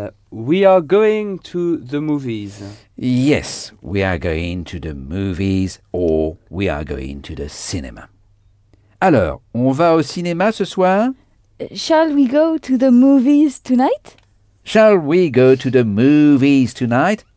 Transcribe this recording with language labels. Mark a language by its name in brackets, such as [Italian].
[English] We are going to the movies. Yes, we are going to the movies or we are going to the cinema. [French] Alors, on va au cinéma ce soir? [English] Shall we go to the movies tonight? Shall we go to the movies tonight?